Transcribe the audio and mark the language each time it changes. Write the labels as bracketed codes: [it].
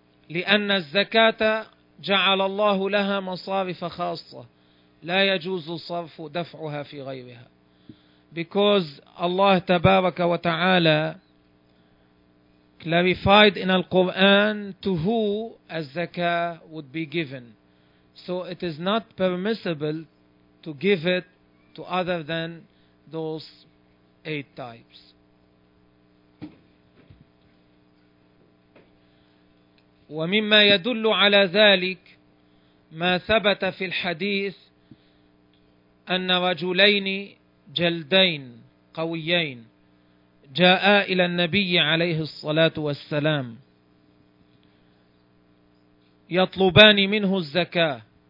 [ar] لأن الزكاة جعل الله لها مصارف خاصة لا يجوز صرف دفعها في غيرها. [en] Because Allah [ar] تبارك وتعالى [en] clarified in Al-Quran to who a zakah would be given. So it is not permissible to give it to other than those 8 types. [ar] ومما يدل على ذلك ما ثبت في الحديث أن رجلين جلدين قويين جاءا إلى النبي عليه الصلاة والسلام يطلبان منه الزكاة,